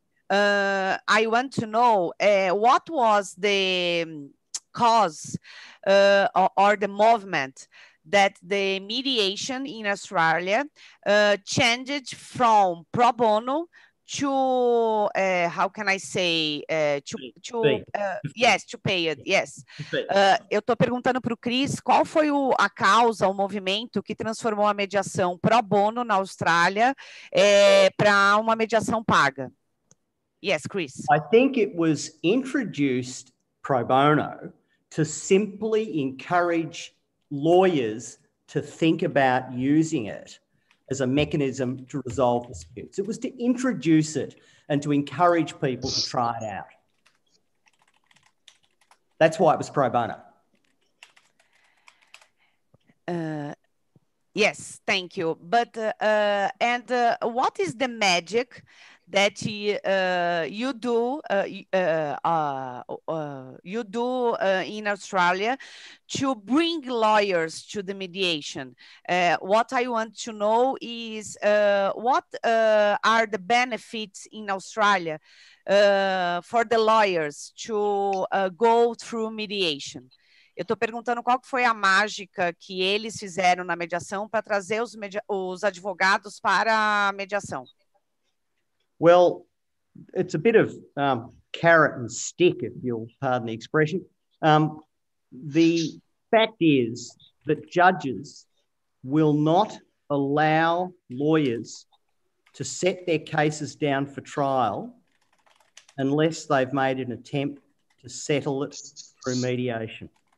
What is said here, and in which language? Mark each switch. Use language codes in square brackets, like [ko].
[en] I want to know what was the cause or the movement that the mediation in Australia changed from pro bono to to pay it. [pt] Eu tô perguntando pro Chris qual foi a causa, o movimento que transformou a mediação pro bono na Austrália para uma mediação paga. [en] Yes, Chris. I think it was introduced pro bono to simply encourage lawyers to think about using it as a mechanism to resolve disputes. It was to introduce it and to encourage people to try it out. That's why it was pro bono. Yes, thank you. But what is the magic that you do in Australia to bring lawyers to the mediation? What I want to know is what are the benefits in Australia for the lawyers to go through mediation? [pt] Eu estou perguntando qual foi a mágica que eles fizeram na mediação para trazer os advogados para a mediação. [en] Well, it's a bit of carrot and stick, if you'll pardon the expression. The fact is that judges will not allow lawyers to set their cases down for trial unless they've made an attempt to settle it through mediation.